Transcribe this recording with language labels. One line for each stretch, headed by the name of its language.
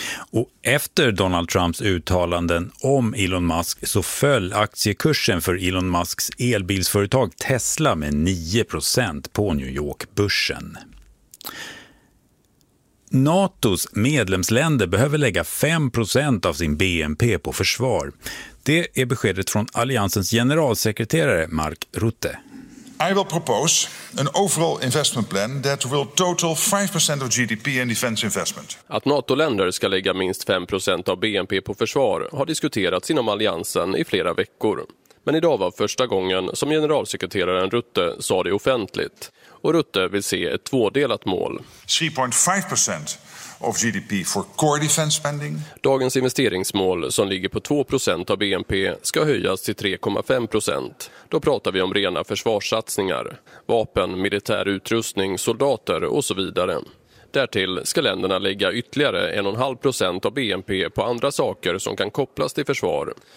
Swedish: Och efter Donald Trumps uttalanden om Elon Musk så föll aktiekursen för Elon Musks elbilsföretag Tesla med 9% på New York-börsen. NATOs medlemsländer behöver lägga 5% av sin BNP på försvar. Det är beskedet från alliansens generalsekreterare Mark Rutte.
English: I will propose an overall investment plan that will total 5% of GDP in defense investment.
Swedish: Att NATO-länder ska lägga minst 5% av BNP på försvar har diskuterats inom alliansen i flera veckor. Men idag var första gången som generalsekreteraren Rutte sa det offentligt. Och Rutte vill se ett tvådelat mål.
English: 3.5% of GDP for core defense spending.
Swedish: Dagens investeringsmål som ligger på 2% av BNP ska höjas till 3.5%. Då pratar vi om rena försvarssatsningar, vapen, militär utrustning, soldater och så vidare. Därtill ska länderna lägga ytterligare 1.5% av BNP på andra saker som kan kopplas till försvar.